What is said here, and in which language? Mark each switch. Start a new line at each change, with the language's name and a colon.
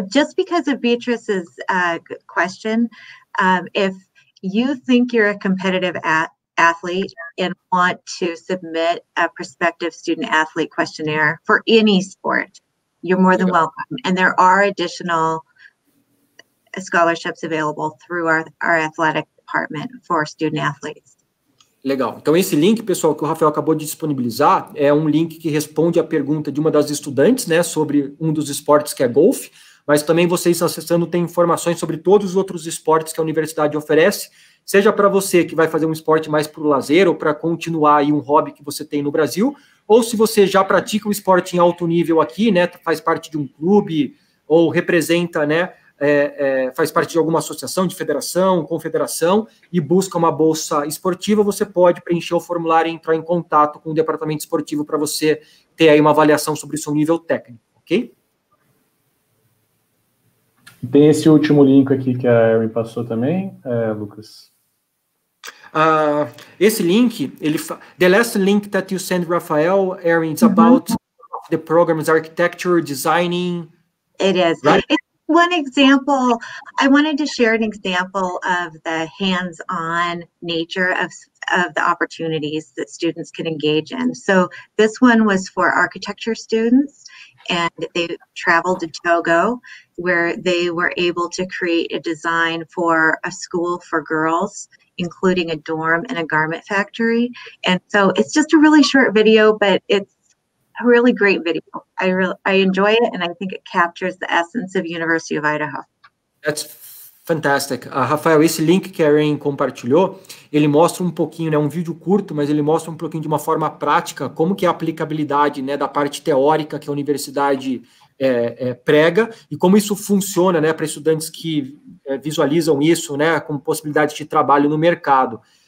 English: Just because of Beatrice's question, if you think you're a competitive athlete and want to submit a prospective student athlete questionnaire for any sport, you're more than welcome. And there are additional scholarships available through our athletic department for student athletes.
Portuguese: Legal. Então, esse link, pessoal, que o Rafael acabou de disponibilizar, é um link que responde à pergunta de uma das estudantes, né, sobre um dos esportes que é golfe, mas também vocês acessando tem informações sobre todos os outros esportes que a universidade oferece, seja para você que vai fazer um esporte mais para o lazer ou para continuar aí um hobby que você tem no Brasil, ou se você já pratica um esporte em alto nível aqui, né, faz parte de um clube ou representa, né, faz parte de alguma associação, de federação, confederação, e busca uma bolsa esportiva, você pode preencher o formulário e entrar em contato com o departamento esportivo para você ter aí uma avaliação sobre o seu nível técnico, ok? Tem esse último link aqui que a Erin passou também, Lucas? Esse link,
English: the last link that you send, Rafael, Erin, is about the program's architecture, designing... It is, right? One example, I wanted to share an example of the hands-on nature of the opportunities that students can engage in. So this one was for architecture students, and they traveled to Togo, where they were able to create a design for a school for girls, including a dorm and a garment factory. And so it's just a really short video, but it's a really great video. I enjoy it, and I think it captures the essence of University of Idaho. That's Fantastic.
Portuguese: Rafael, esse link que a Erin compartilhou, ele mostra um pouquinho, né, um vídeo curto, mas ele mostra um pouquinho de uma forma prática como que é a aplicabilidade, né, da parte teórica que a universidade prega e como isso funciona, né, para estudantes que visualizam isso, né, como possibilidade de trabalho no mercado.